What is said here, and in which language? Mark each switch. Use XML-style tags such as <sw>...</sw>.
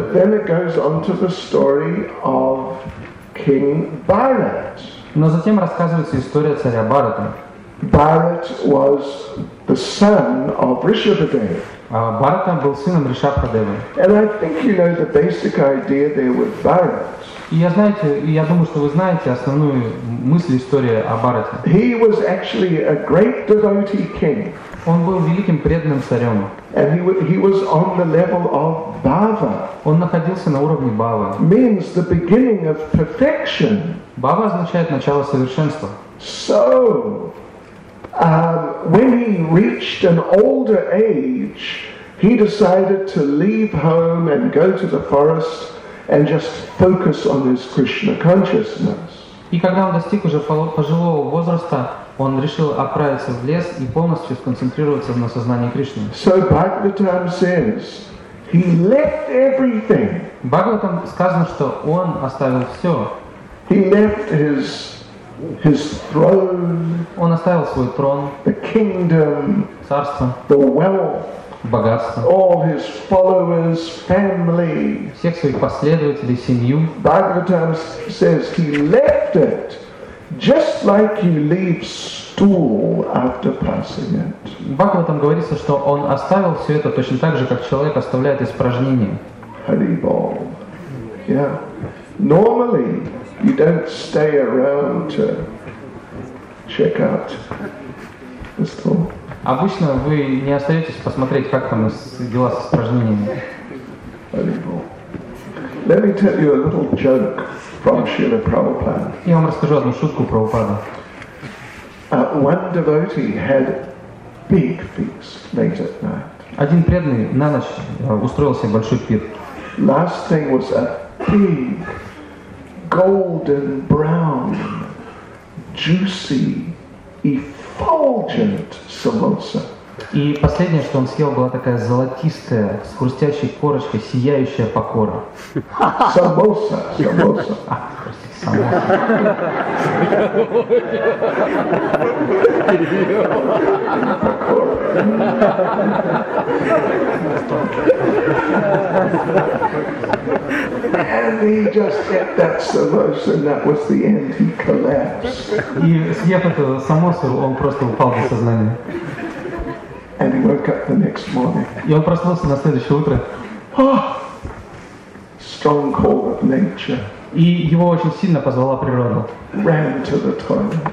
<en>But then it goes on to the story of King Bharat.</en> <ru>Но затем рассказывается история царя Бхарата.</ru> <en>Bharat was the son of Rishabhadeva.</en> <ru>Бхарата был сыном Ришабхадевы.</ru> <en>And I think you know the basic idea there with Bharat.</en> <ru>И я знаете, я думаю, что вы знаете основную мысль истории о Бхарате.</ru> <en>He was actually a great devotee king.</en> <ru>Он был великим преданным царем.</ru> <en>And he was on the level of Bhava.</en> <ru>Он находился на уровне Бхава.</ru> <en>Means the beginning of perfection.</en> <ru>Бхава означает начало совершенства.</ru> <en>So, when he reached an older age, he decided to leave home and go to the forest and just focus on his Krishna consciousness.</en> <ru>И когда он достиг уже пожилого возраста, он решил отправиться в лес и полностью сконцентрироваться на сознании Кришны.</ru> <en>So Bhagavatam says, he left everything.</en> <ru>Бхагаватам сказано, что он оставил все.</ru> <en>He left his throne,</en> <ru>он оставил свой трон,</ru> <en>the kingdom,</en> <ru>царство,</ru> <en>the wealth,</en> <ru>богатство,</ru> <en>all his followers, family,</en> <ru>всех своих последователей, семью.</ru> <en>Bhagavatam says he left it just like you leave stool after passing it.</en> <ru>Бхагаватам говорится, что он оставил все это точно так же, как человек оставляет испражнение.</ru> <en>Haribol. Yeah. Normally you don't stay around to check out this tool.</en> <ru>Обычно вы не остаетесь посмотреть, как там дела с упражнениями.</ru> <en>Let me tell you a little joke from Srila Prabhupada.</en> <ru>Я вам расскажу одну шутку про Прабхупаду.</ru> <en>One devotee had big feast late at night.</en> <ru>Один преданный на ночь устроил себе большой пир.</ru> <en>Last thing was a big, golden brown, juicy, effulgent samosa.</en> <ru>И последнее, что он съел, была такая золотистая, с хрустящей корочкой, сияющая покора. Самоса, самоса.</ru> <en>And he just ate that samosa, and that was the end. He collapsed.</en> <ru>И съев эту самосу, он просто упал без сознания.</ru> <en>And he woke up the next morning.</en> <ru>И он проснулся на следующее утро.</ru> <en>Strong call of nature.</en> <ru>И его очень сильно позвала природа.</ru> <en>Ran to the toilet.</en>